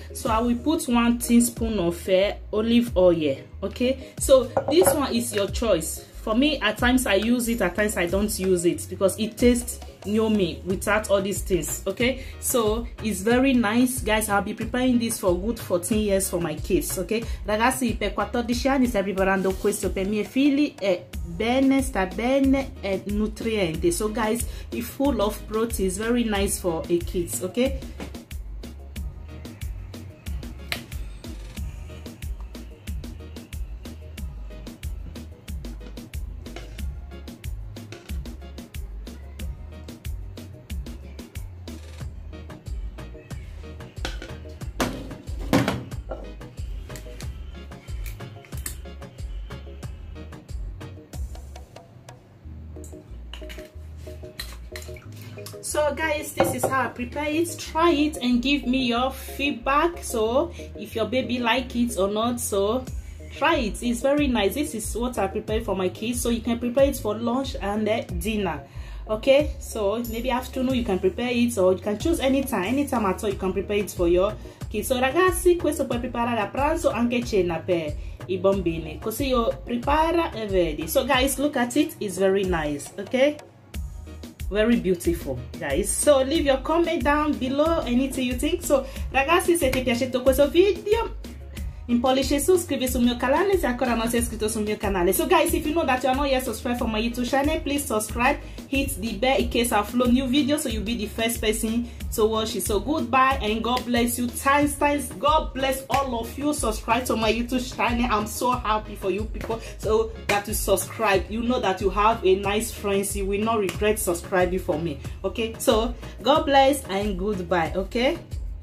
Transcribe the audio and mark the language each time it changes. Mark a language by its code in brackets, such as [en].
[en] So I will put 1 teaspoon of olive oil. Okay. So this one is your choice. For me, at times I use it, at times I don't use it because it tastes yummy without all these things. Okay. So it's very nice, guys. I'll be preparing this for good 14 years for my kids. Okay. [it] Ragazzi, per 14 anni stai preparando questo per miei figli e bene, sta bene e nutriente. [en] So guys, it's full of protein, it's very nice for a kids, okay? So guys, this is how I prepare it. Try it and give me your feedback. So if your baby like it or not, so try it, it's very nice. This is what I prepare for my kids, so you can prepare it for lunch and dinner. Okay, so maybe afternoon you can prepare it, or you can choose anytime at all you can prepare it for your kids. [it] So ragazzi, questo puoi preparare a pranzo anche cena per I bambini. Così io prepara e vedi. [en] So guys, look at it, it's very nice, okay? Very beautiful, guys. So leave your comment down below, anything you think. [it] So ragazzi, se ti è piaciuto questo video, un pollice su, iscrivi sul mio canale se ancora non sei iscritto sul mio canale. [en] So guys, if you know that you are not yet subscribed for my YouTube channel, please subscribe, hit the bell in case I upload new videos, so you'll be the first person to watch it. So goodbye and God bless you. Times God bless all of you. Subscribe to my YouTube channel. I'm so happy for you people, so that you subscribe, you know that you have a nice friend, you will not regret subscribing for me, okay? So God bless and goodbye, okay?